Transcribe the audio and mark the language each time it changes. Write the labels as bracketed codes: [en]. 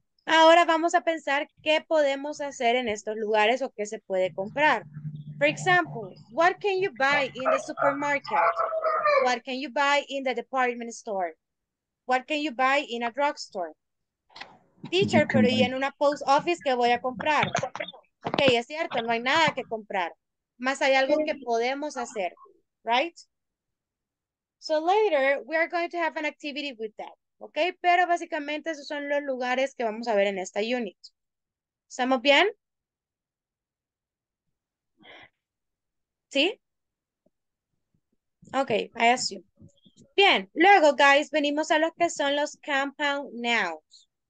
[es] Ahora vamos a pensar qué podemos hacer en estos lugares o qué se puede comprar. [en] For example, what can you buy in the supermarket? What can you buy in the department store? What can you buy in a drugstore? [es] Teacher, pero ¿y en una post office qué voy a comprar? Ok, es cierto, no hay nada que comprar. Más hay algo que podemos hacer, right? [en] So later, we are going to have an activity with that, ok? [es] Pero básicamente esos son los lugares que vamos a ver en esta unit. ¿Estamos bien? [en] ¿Sí? Ok, I assume. [es] Bien, luego, guys, venimos a lo que son los compound nouns.